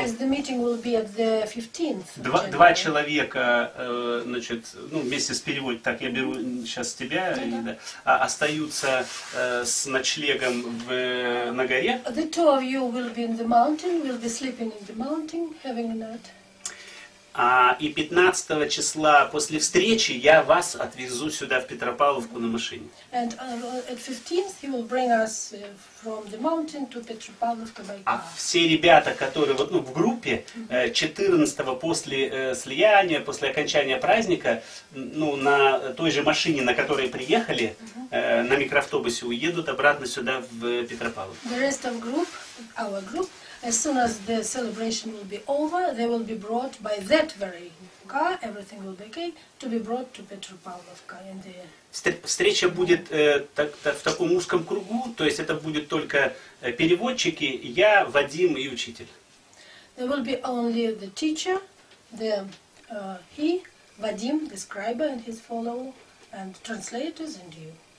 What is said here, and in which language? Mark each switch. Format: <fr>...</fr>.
<en>as the meeting will be at the 15th.</en> <ru>Два человека, значит, вместе с переводчиком, так я беру сейчас тебя, остаются с ночлегом на горе.</ru> <en>The two of you will be in the mountain, will be sleeping in the mountain, having a night.</en> <ru>И 15 числа после встречи я вас отвезу сюда в Петропавловку на машине.</ru> <en>And at 15th you will bring us from the mountain to Petropavlovka by car.</en> <ru>А все ребята, которые в группе 14-го после слияния, после окончания праздника, на той же машине, на которой приехали, на микроавтобусе уедут обратно сюда в Петропавловку.</ru> <en>The rest of group, our group. As soon as the celebration will be over, they will be brought by that very car, everything will be okay, to be brought to Petropavlovka.</en> <ru>Встреча будет в таком узком кругу, то есть это будет только переводчики, я, Вадим и учитель.</ru> <en>There will be only the teacher, Вадим, the scribe and his follower, and translators and you.</en>